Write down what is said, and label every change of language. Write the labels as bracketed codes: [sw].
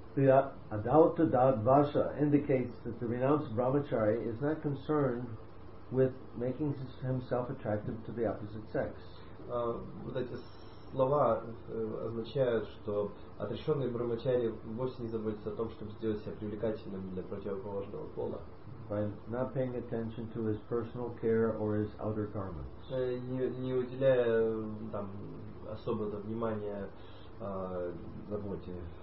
[en] The adauta dadvasa indicates that the renounced brahmachari is not concerned with making himself attractive to the opposite sex. [ru] Вот эти слова означают, что отрешенный брахмачари вовсе не заботится о том, чтобы сделать себя привлекательным для противоположного пола. [en] By not paying attention to his personal care or his outer garments. [ru] Не уделяя там особого внимания заботе.